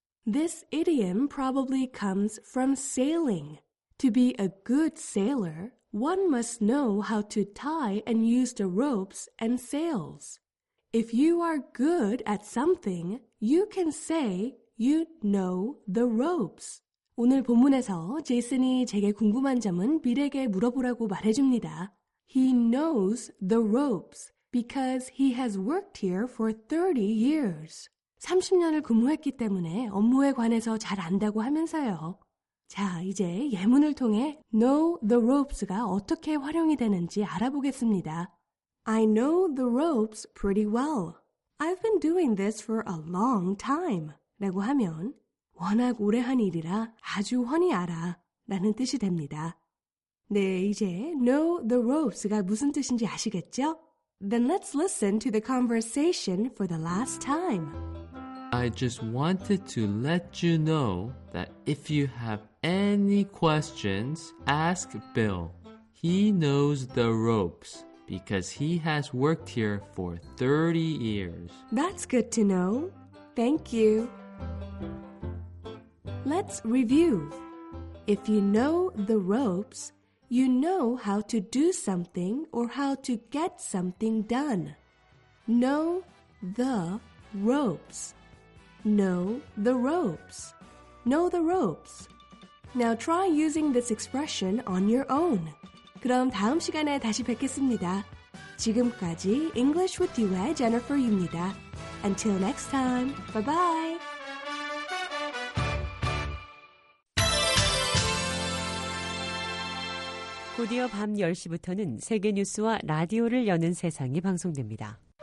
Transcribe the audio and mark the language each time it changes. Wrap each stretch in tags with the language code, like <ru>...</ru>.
<en>This idiom probably comes from sailing. To be a good sailor, one must know how to tie and use the ropes and sails. If you are good at something, you can say you know the ropes.</en> <ko>오늘 본문에서 제이슨이 제게 궁금한 점은 빌에게 물어보라고 말해줍니다.</ko> <en>He knows the ropes because he has worked here for 30 years.</en> <ko>30년을 근무했기 때문에 업무에 관해서 잘 안다고 하면서요. 자, 이제 예문을 통해 know the ropes가 어떻게 활용이 되는지 알아보겠습니다.</ko> <en>I know the ropes pretty well. I've been doing this for a long time.</en> <ko>라고 하면 워낙 오래 한 일이라 아주 훤히 알아 라는 뜻이 됩니다. 네, 이제 know the ropes가 무슨 뜻인지 아시겠죠?</ko> <en>Then let's listen to the conversation for the last time. I just wanted to let you know that if you have any questions, ask Bill. He knows the ropes because he has worked here for 30 years. That's good to know. Thank you. Let's review. If you know the ropes, you know how to do something or how to get something done. Know the ropes. Know the ropes. Know the ropes. Now try using this expression on your own.</en> <ko>그럼 다음 시간에 다시 뵙겠습니다. 지금까지 English with UI Jennifer입니다.</ko> <en>Until next time, bye-bye.</en> <ko>Good 밤 10시부터는 세계 뉴스와 라디오를 여는 세상이 방송됩니다.</ko>